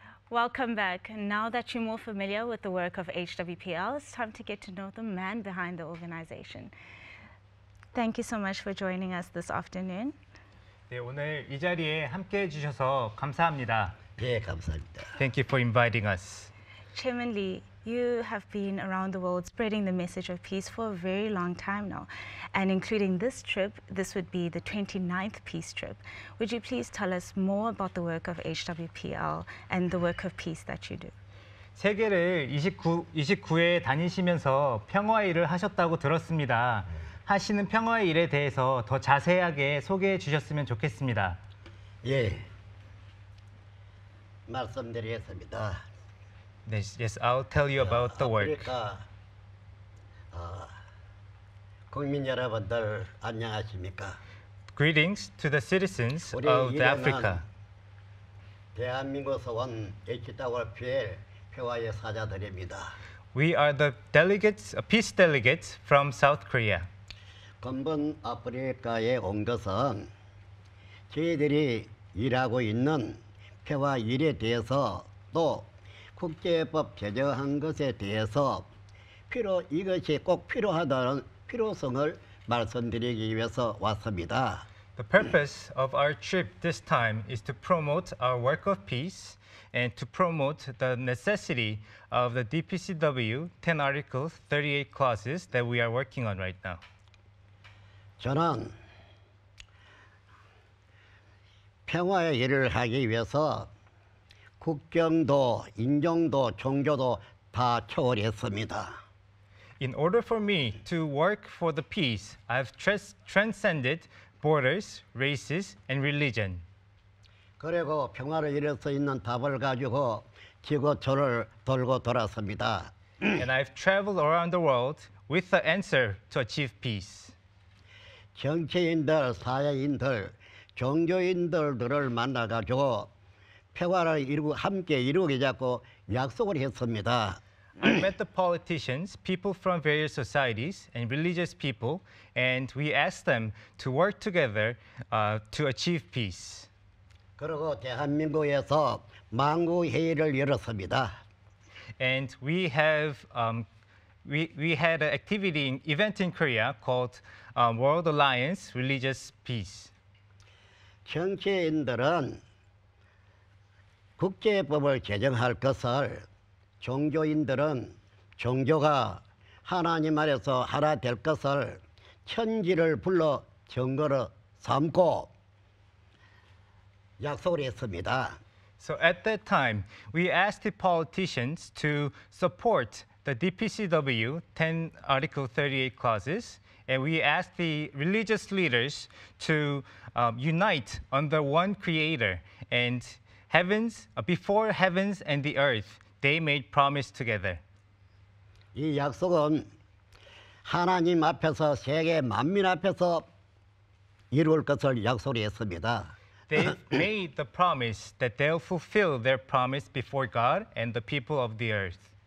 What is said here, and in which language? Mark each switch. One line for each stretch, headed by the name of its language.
English: Welcome back. Now that you're more familiar with the work of HWPL, it's time to get to know the man behind the organization. Thank you so much for joining us this afternoon.
Korean: 네, 오늘 이 자리에 함께해 주셔서 감사합니다. 네, 감사합니다.
English: Thank you for inviting us. Chairman Lee, you have been around the world spreading the message of peace for a very long time now. And including this trip, this would be the 29th peace trip. Would you please tell us more about the work of HWPL and the work of peace that you do?
Korean: 세계를 29회 다니시면서 평화 일을 하셨다고 들었습니다. 하시는 평화의 일에 대해서 더 자세하게 소개해 주셨으면 좋겠습니다. 예, 말씀드리겠습니다.
English: Yes, yes, I'll tell you about the work.
Korean: 아프리카 국민 여러분들 안녕하십니까?
English: Greetings to the citizens of Africa.
Korean: 대한민국 소원 HWPL 평화의 사자들입니다.
English: We are the delegates, peace delegates from South Korea.
Korean: 금번 아프리카에 온 것은 저희들이 일하고 있는 평화 일에 대해서 또 국제법 제정한 것에 대해서 필요 이것이 꼭 필요하다는 필요성을 말씀드리기 위해서 왔습니다.
English: The purpose of our trip this time is to promote our work of peace and to promote the necessity of the DPCW 10 Article 38 clauses that we are working on right now.
Korean: 저는 평화의 일을 하기 위해서 국경도, 인종도, 종교도 다 초월했습니다.
English: In order for me to work for the peace, I've transcended borders, races, and religion.
Korean: 그리고 평화를 이뤄서 있는 답을 가지고 지구촌을 돌고 돌았습니다.
English: And I've traveled around the world with the answer to achieve peace.
Korean: 정치인들, 사회인들, 종교인들을 만나가지고 평화를 이루고 함께 이루게 자고 약속을 했습니다.
English: I met the politicians, people from various societies, and religious people, and we asked them to work together to achieve peace.
Korean: 그리고 대한민국에서 망국회의를 열었습니다.
English: And we have we had an activity event in Korea called World Alliance Religious Peace.
Korean: 정치인들은 국제법을 제정할 것을 종교인들은 종교가 하나님 안에서 하나 될 것을 천지를 불러 증거로 삼고 약속을 했습니다.
English: So at that time, we asked the politicians to support the DPCW 10 Article 38 clauses. And we asked the religious leaders to unite under one creator. And heavens, before heavens and the earth, they made promise together.
Korean: 이 약속은 하나님 앞에서 세계 만민 앞에서 이룰 것을 약속했습니다.
English: They made the promise that they'll fulfill their promise before God and the people of the earth.